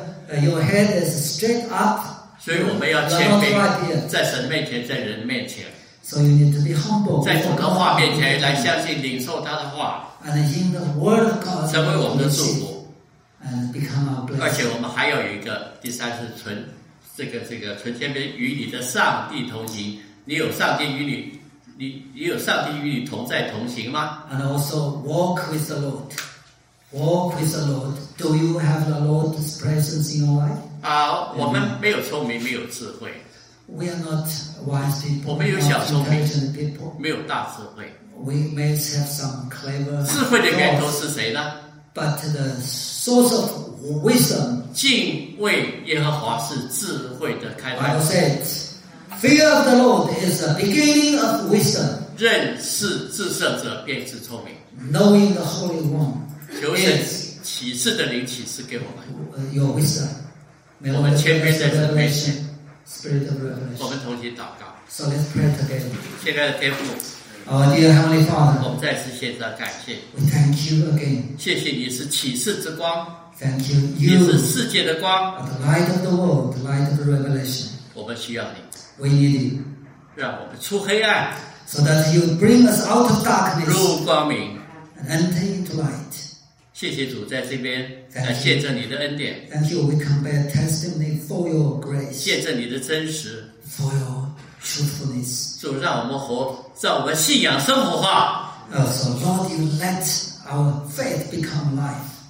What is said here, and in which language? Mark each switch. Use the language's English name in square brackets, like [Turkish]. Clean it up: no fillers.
[English] If your head is straight up, [Chinese] 所以我们要谦卑，在神面前，在人面前。 [English] So you need to be humble. [Chinese] 在主的话面前来相信领受他的话。 [English] And in the word of God, [Chinese] 成为我们的祝福。 [English] And become our blessing. [Chinese] 而且我们还有一个，第三是存这个存天边与你的上帝同行。你有上帝与你，你有上帝与你同在同行吗 [English] ？And also walk with the Lord. Walk with the Lord. Do you have the Lord's presence in your life? [Chinese] 我们没有聪明，没有智慧。 [English] We are not wise people. [Chinese] 我们有小聪明 [English] ，intelligent people. [Chinese] 没有大智慧。 [English] We may have some clever. [Chinese] 智慧的源头是谁呢 [English] ？But the source of wisdom. [Chinese] 敬畏耶和华是智慧的开端。 [English] Bible says. Fear of the Lord is the beginning of wisdom. [Chinese] 认识至圣者便是聪明。 [English] Knowing the Holy One. [Chinese] 求神启示的灵启示给我们。 [English] Your wisdom. [Chinese] 我们谦卑在神面前。 [English] Spirit of revelation. [Chinese] 我们同心祷告。 [English] So let's pray together. [Chinese] 现在的天父。 [English] Our dear Heavenly Father. [Chinese] 我们再次献上感谢。 [English] We thank you again. [Chinese] 谢谢你是启示之光。 [English] Thank you. You. [Chinese] 你是世界的光。 [English] The light of the world. The light of the revelation. [Chinese] 我们需要你。 [English] We need you. [Chinese] 让我们出黑暗 [English] ，so that you bring us out of darkness. [Chinese] 入光明 [English] ，and enter into light. [Chinese] 谢谢主在这边来见证你的恩典。 [English] Thank you. We come by a testimony for your grace. [Chinese] 见证你的真实。 [English] For your truthfulness. [Chinese] 主让我们活，让我们信仰生活化。 [English] So Lord, you let our faith become life.